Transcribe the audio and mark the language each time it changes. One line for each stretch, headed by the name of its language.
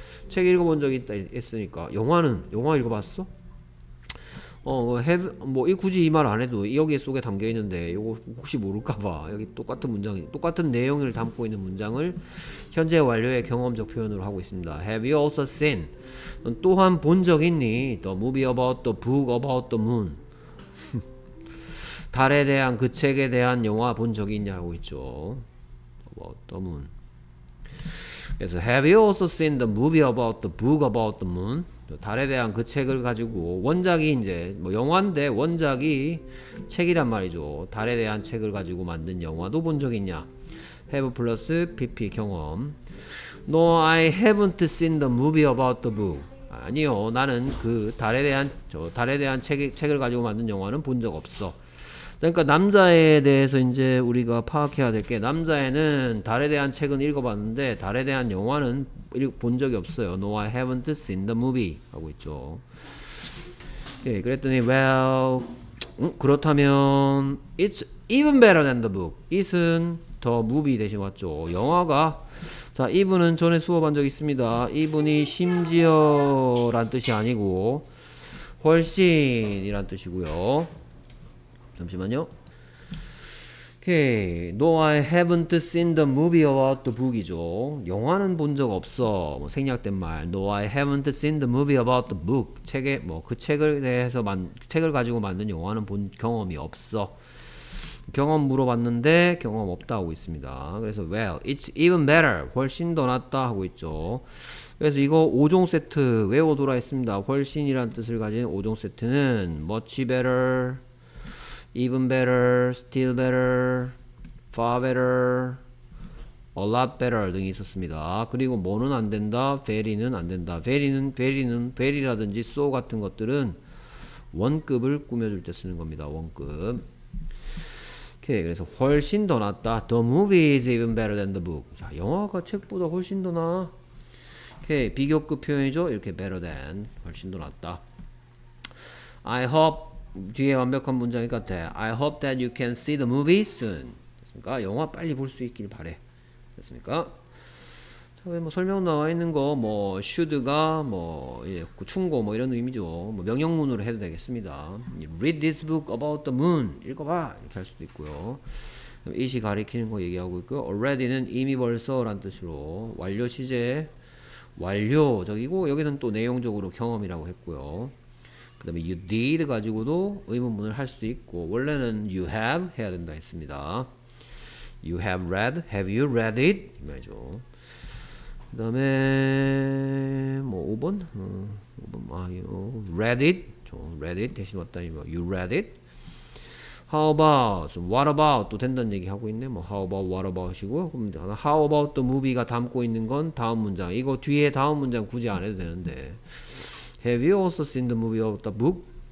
Korean: 책 읽어본 적 있다 했으니까 영화 읽어봤어? Have 뭐이 굳이 이말안 해도 여기 속에 담겨 있는데 이거 혹시 모를까 봐 여기 똑같은 내용을 담고 있는 문장을 현재 완료의 경험적 표현으로 하고 있습니다.
English: Have you also seen?
Korean: 넌 또한 본적 있니?
English: The movie about the book about the moon.
Korean: 달에 대한 그 책에 대한 영화 본적 있냐고 있죠.
English: About the moon. 그래서 Have you also seen the movie about the book about the moon?
Korean: 달에 대한 그 책을 가지고 원작이 이제 뭐 영화인데 원작이 책이란 말이죠. 달에 대한 책을 가지고 만든 영화도 본적 있냐?
English: Have plus PP 경험. No, I haven't seen the movie about the book.
Korean: 아니요, 나는 그 달에 대한 책을 가지고 만든 영화는 본적 없어. 그러니까 남자에 대해서 이제 우리가 파악해야 될게 남자애는 달에 대한 책은 읽어봤는데 달에 대한 영화는 본 적이 없어요.
English: No, I haven't seen the movie
Korean: 하고 있죠. 예, 그랬더니
English: well 그렇다면 it's even better than the book.
Korean: it은 더 movie 대신 왔죠. 영화가 자 이분은 전에 수업한 적 있습니다. 이분이 심지어란 뜻이 아니고 훨씬이란 뜻이고요. 잠시만요. Okay.
English: No, I haven't seen the movie about the book이죠.
Korean: 영화는 본적 없어. 뭐 생략된 말.
English: No, I haven't seen the movie about the book.
Korean: 책에 뭐그 책을 대해서 책을 가지고 만든 영화는 본 경험이 없어. 경험 물어봤는데 경험 없다 하고 있습니다. 그래서
English: well, it's even better.
Korean: 훨씬 더 낫다 하고 있죠. 그래서 이거 5종 세트 외워둬라 했습니다. 훨씬이란 뜻을 가진 5종 세트는 much better.
English: Even better, still better, far better, a lot better 등이 있었습니다.
Korean: 그리고 뭐는 안 된다, very는 안 된다. very라든지 so 같은 것들은 원급을 꾸며줄 때 쓰는 겁니다. 원급. 오케이, 그래서 훨씬 더 낫다.
English: The movie is even better than the book.
Korean: 자, 영화가 책보다 훨씬 더 나아. 오케이, 비교급 표현이죠. 이렇게 better than 훨씬 더 낫다. I hope 뒤에 완벽한 문장이 같아.
English: I hope that you can see the movie soon.
Korean: 됐습니까? 영화 빨리 볼수 있길 바래. 됐습니까? 자, 뭐 설명 나와 있는 거, 뭐 should가 뭐 예, 충고 뭐 이런 의미죠. 뭐 명령문으로 해도 되겠습니다.
English: Read this book about the moon.
Korean: 읽어봐. 이렇게 할 수도 있고요. it이 가리키는 거 얘기하고 있고, already는 이미 벌써라는 뜻으로 완료 시제 완료적이고 여기는 또 내용적으로 경험이라고 했고요. 그 다음에 you did 가지고도 의문문을 할수 있고 원래는 you have 해야 된다 했습니다.
English: you have read, have you read it?
Korean: 이 말이죠. 그 다음에 뭐 5번? 5번 아 read it 대신 왔다 이거 you read it? How about, what about 또 된다는 얘기 하고 있네. 뭐 how about, what about이고요. 그럼
English: how about the movie
Korean: 가 담고 있는 건 다음 문장. 이거 뒤에 다음 문장 굳이 안 해도 되는데.
English: Have you also seen the movie of the book?